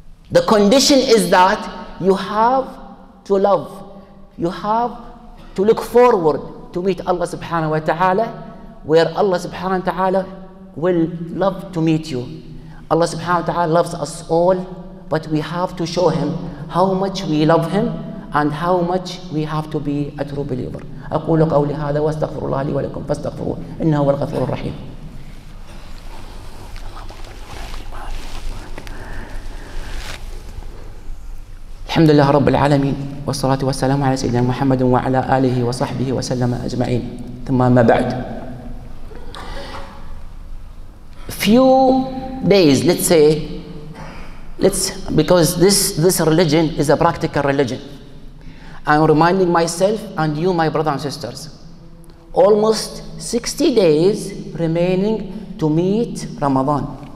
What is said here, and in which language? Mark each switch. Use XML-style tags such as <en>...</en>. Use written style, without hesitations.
<en>The condition is that you have to love, you have to look forward to meet Allah subhanahu wa ta'ala, where Allah subhanahu wa ta'ala will love to meet you. Allah subhanahu wa ta'ala loves us all, but we have to show him how much we love him and how much we have to be a true believer.</en> <ar>أقول قولي هذا واستغفر الله لي ولكم فاستغفروه إنه هو الغفور الرحيم. الحمد لله رب العالمين والصلاة والسلام على سيدنا محمد وعلى آله وصحبه وسلم أجمعين. ثم ما بعد.</ar> <en>Few days, let's say, because this religion is a practical religion. I'm reminding myself and you, my brothers and sisters, almost 60 days remaining to meet Ramadan.</en>